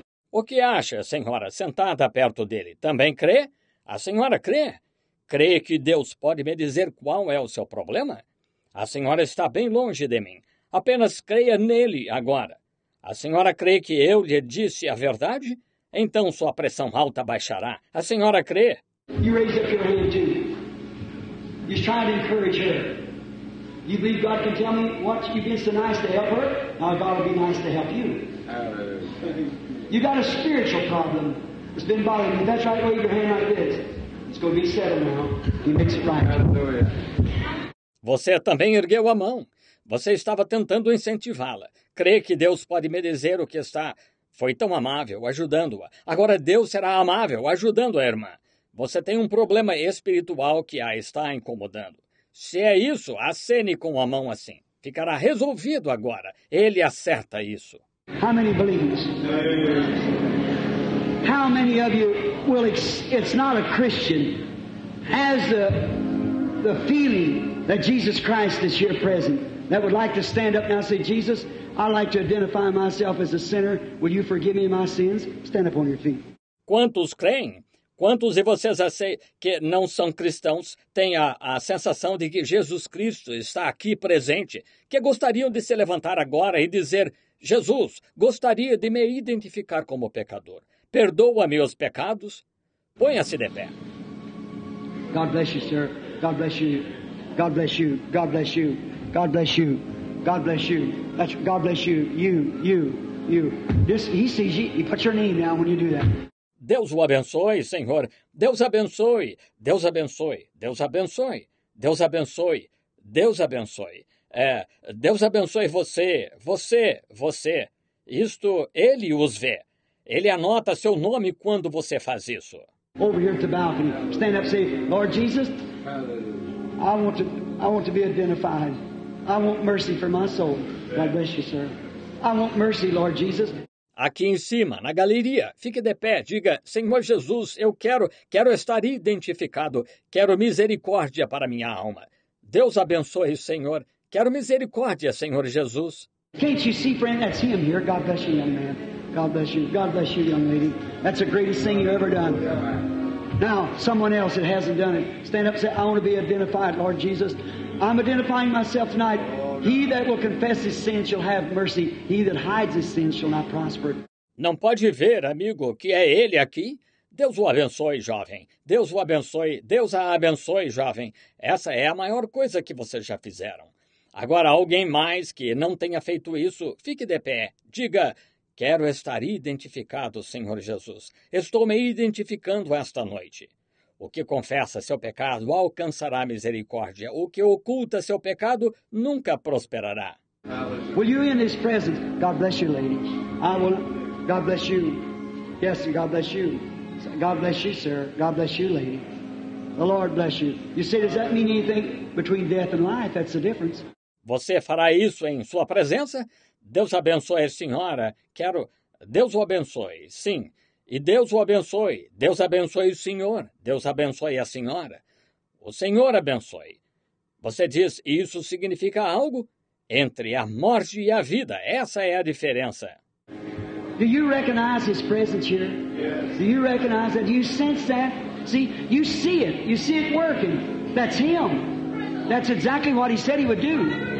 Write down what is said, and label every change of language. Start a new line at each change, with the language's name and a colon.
Portuguese: O que acha, senhora, sentada perto dele? Também crê? A senhora crê? Crê que Deus pode me dizer qual é o seu problema? A senhora está bem longe de mim. Apenas creia nele agora. A senhora crê que eu lhe disse a verdade? Então sua pressão alta baixará. A senhora crê?
English: You raise up your hand too. You try to encourage her. You believe God can tell me what you've been so nice to help her? Now God will be nice to help you. You got a spiritual problem. It's been bothering you. That's right, wave your hand like this. It's going to be settled now. He makes it right.
Portuguese: Você também ergueu a mão. Você estava tentando incentivá-la. Crê que Deus pode me dizer o que está. Foi tão amável ajudando-a. Agora Deus será amável ajudando a irmã. Você tem um problema espiritual que a está incomodando. Se é isso, acene com a mão assim. Ficará resolvido agora. Ele acerta isso.
English: How many believes? How many of you will it's not a Christian has the feeling that Jesus Christ is here present? That would like to stand up now and say, Jesus, I'd like to identify myself as a sinner. Will you forgive me my sins? Stand up on your feet.
Portuguese: Quantos creem? Quantos de vocês que não são cristãos têm a sensação de que Jesus Cristo está aqui presente, que gostariam de se levantar agora e dizer, Jesus, gostaria de me identificar como pecador. Perdoa meus pecados. Ponha-se de pé.
English: God bless you, sir. God bless you. God bless you. God bless you. God bless you. God bless you. God bless you. You. He sees you. He puts your name down when you do that.
Portuguese: Deus o abençoe, Senhor. Deus abençoe. Deus abençoe. Deus abençoe. Deus abençoe. Deus abençoe. Deus abençoe você. Você. Você. Isto, Ele os vê. Ele anota seu nome quando você faz isso.
English: Over here at the balcony. Stand up and say, Lord Jesus, I want to be identified. I want mercy for my soul. God bless you, sir. I want mercy, Lord Jesus.
Portuguese: Aqui em cima, na galeria, fique de pé. Diga, Senhor Jesus, eu quero estar identificado. Quero misericórdia para minha alma. Deus abençoe, Senhor. Quero misericórdia, Senhor Jesus.
English: Can't you see, friend? That's him here. God bless you, young man. God bless you. God bless you, young lady. That's the greatest thing you've ever done. Now, someone else that hasn't done it, stand up and say, I want to be identified, Lord Jesus. I'm identifying myself tonight. He that will confess his sins shall have mercy. He that hides his sins shall not prosper.
Portuguese: Não pode ver, amigo, que é ele aqui? Deus o abençoe, jovem. Deus o abençoe. Deus a abençoe, jovem. Essa é a maior coisa que vocês já fizeram. Agora, alguém mais que não tenha feito isso, fique de pé. Diga, quero estar identificado, Senhor Jesus. Estou me identificando esta noite. O que confessa seu pecado alcançará misericórdia. O que oculta seu pecado nunca prosperará.
English: Will you in his presence? God bless you, ladies. I will. God bless you. Yes, God bless you. God bless you, sir. God bless you, lady. The Lord bless you. You say, does that mean anything between death and life? That's the difference.
Portuguese: Você fará isso em sua presença? Deus abençoe a senhora. Quero. Deus o abençoe. Sim. E Deus o abençoe. Deus abençoe o senhor. Deus abençoe a senhora. O senhor abençoe. Você diz, isso significa algo? Entre a morte e a vida. Essa é a diferença.
English: Do you recognize his presence here? Yes. Do you recognize that? Do you sense that? See, you see it. You see it working. That's him. That's exactly what he said he would do.